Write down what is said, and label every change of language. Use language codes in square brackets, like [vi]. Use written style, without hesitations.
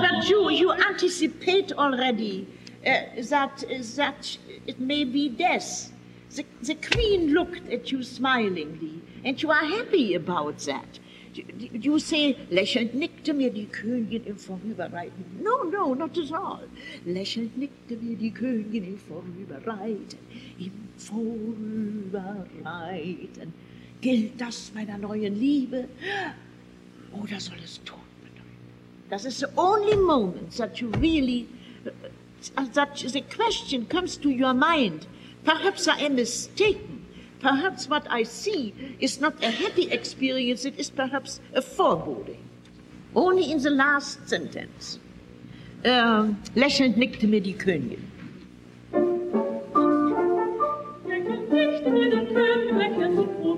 [en] but you anticipate already that it may be death. The queen looked at you smilingly, and you are happy about that. You say, [de] lächelnd nickte mir die Königin im Vorüberreiten. [en] No, no, not at all. [de] Lächelnd nickte mir die Königin im Vorüberreiten. Im Vorüberreiten. Gilt das meiner neuen Liebe? Oder soll es Tod bedeuten? [en] That is the only moment that you really, that the question comes to your mind. Perhaps I am mistaken. Perhaps what I see is not a happy experience, it is perhaps a foreboding. Only in the last sentence. [de] Lächelnd nickte mir die Königin. Lächelnd nickte mir die Königin, im